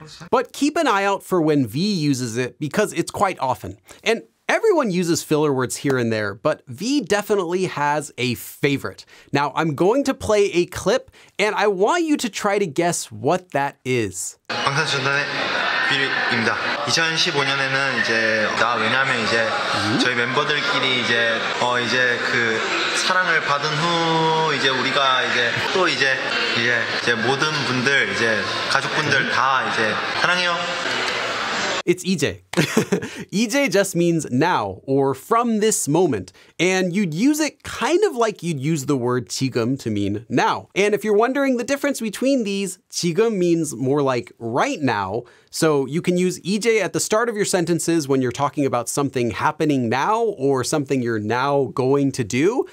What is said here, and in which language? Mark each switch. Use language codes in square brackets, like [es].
[en] But keep an eye out for when V uses it because it's quite often. And everyone uses filler words here and there, but V definitely has a favorite. Now, I'm going to play a clip, and I want you to try to guess what that is. [ko] 방탄소년단의 V입니다. 2015년에는 이제 나 왜냐면 이제 저희 멤버들끼리 이제 이제 그 사랑을 받은 후 이제 우리가 이제 또 이제 이제 모든 분들 이제 가족분들 다 이제 사랑해요. [en] It's 이제. 이제 just means now or from this moment. And you'd use it kind of like you'd use the word 지금 to mean now. And if you're wondering the difference between these, 지금 means more like right now. So you can use 이제 at the start of your sentences when you're talking about something happening now or something you're now going to do.